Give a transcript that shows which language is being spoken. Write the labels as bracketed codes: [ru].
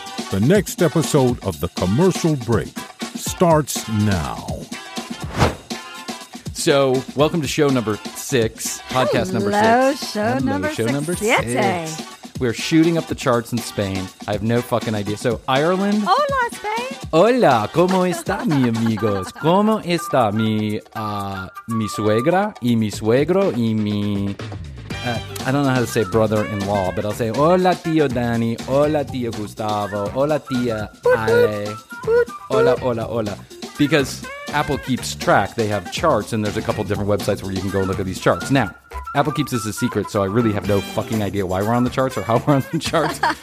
[en] The next episode of The Commercial Break starts now. So, welcome to show number 6, podcast Hello, number 6. Show number 6. We're shooting up the charts in Spain. I have no fucking idea. So, Ireland. [es] Hola, Spain. Hola, ¿cómo está, mi amigos? ¿Cómo está mi mi suegra y mi suegro y mi... [en] I don't know how to say brother-in-law, but I'll say [es] hola, tío [en] Dani. [es] Hola, tío Gustavo. Hola, tía Ale. Hola, hola, hola. [en] Because Apple keeps track. They have charts, and there's a couple different websites where you can go look at these charts. Now, Apple keeps this a secret, so I really have no fucking idea why we're on the charts or how we're on the charts.